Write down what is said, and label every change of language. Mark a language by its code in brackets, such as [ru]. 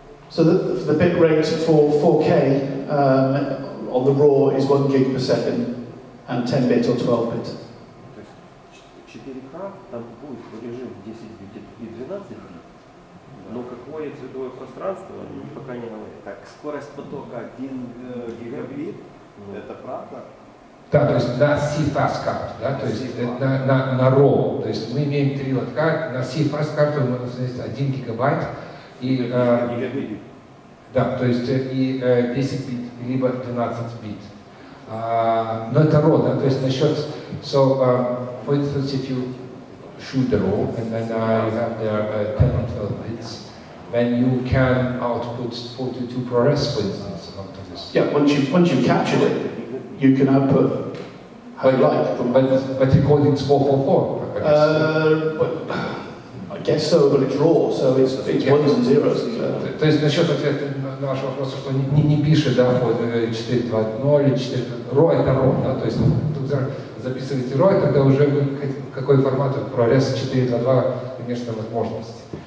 [en] So the bit rate for 4K on the raw is 1 gig per second and 10 bit or 12 bit. [ru] 4K там будет режим 10 бит и 12 бит. Но какое цветовое пространство, пока не говорит. Так, скорость потока 1 гигабит. Это правда? Да, то есть на CFast карту, да, то есть на RAW, то есть мы имеем три лотка, на CFast карту у нас есть 1 гигабайт и... Да, то есть и 10 бит, либо 12 бит. Но это RAW, да, то есть насчет... [en] So, for instance, if you shoot the RAW, and then you have the 10 or 12 bits, then you can output 42 ProRes, for instance. Yeah, once you've captured it, you can output how you like. But recording's 444. I guess so, but it's raw, so it's ones and zeros. [ru] То есть насчет ответа нашего вопроса, что не пишет, да, 4.2.0 или 4.0, это RAW, да, то есть тут записываете RAW, тогда уже какой формат ProRes 4.2.2, конечно, возможности.